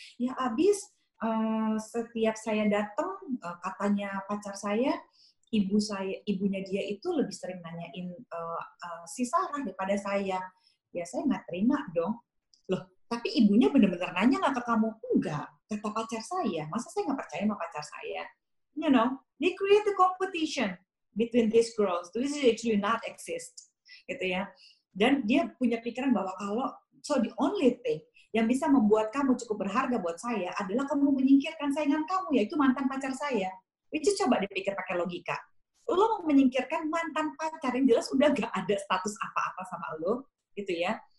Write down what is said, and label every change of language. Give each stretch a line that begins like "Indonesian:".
Indonesian: Ya abis, setiap saya datang, katanya pacar saya, ibu saya, ibunya dia itu lebih sering nanyain si Sarah daripada saya. Ya saya nggak terima dong. Loh, tapi ibunya benar-benar nanya nggak ke kamu? Enggak, kata pacar saya. Masa saya nggak percaya sama pacar saya?
English: You know, they create a competition between these girls. This is actually not exist.
Indonesian: Gitu ya. Dan dia punya pikiran bahwa kalau,
English: so the only thing
Indonesian: yang bisa membuat kamu cukup berharga buat saya adalah kamu menyingkirkan saingan kamu, yaitu mantan pacar saya. Itu coba dipikir pakai logika. Lo mau menyingkirkan mantan pacar yang jelas udah gak ada status apa-apa sama lo, gitu ya.